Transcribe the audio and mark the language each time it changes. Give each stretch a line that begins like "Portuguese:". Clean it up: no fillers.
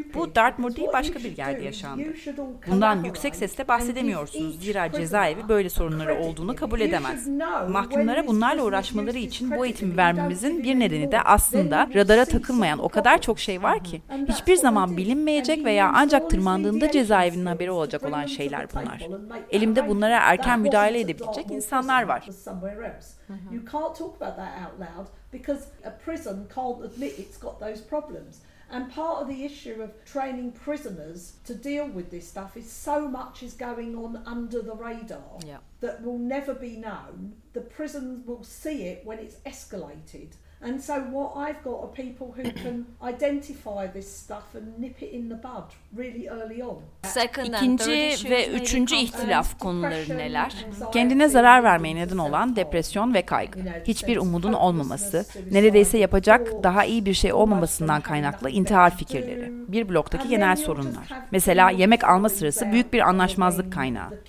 Turkish: Bu Dartmoor değil, başka bir yerde yaşandı. Bundan yüksek sesle bahsedemiyorsunuz, zira cezaevi böyle sorunları olduğunu kabul edemez. Mahkumlara bunlarla uğraşmaları için bu eğitimi vermemizin bir nedeni de aslında radara takılmayan o kadar çok şey var ki. Hiçbir zaman bilinmeyecek veya ancak tırmandığında cezaevinin haberi olacak olan şeyler bunlar. Elimde bunlara erken müdahale edebilecek insanlar var.
English: You can't talk about that out loud because a prison can't admit it's got those problems. And part of the issue of training prisoners to deal with this stuff is so much is going on under the radar that will never be known. The prisons will see it when it's escalated. And so what I've got are people who can identify this stuff and nip it in the bud really early on.
Turkish: İkinci ve üçüncü ihtilaf konuları neler? Kendine zarar vermeye neden olan depresyon ve kaygı. Hiçbir umudun olmaması, neredeyse yapacak daha iyi bir şey olmamasından kaynaklı intihar fikirleri. Bir bloktaki genel sorunlar. Mesela yemek alma sırası büyük bir anlaşmazlık kaynağı.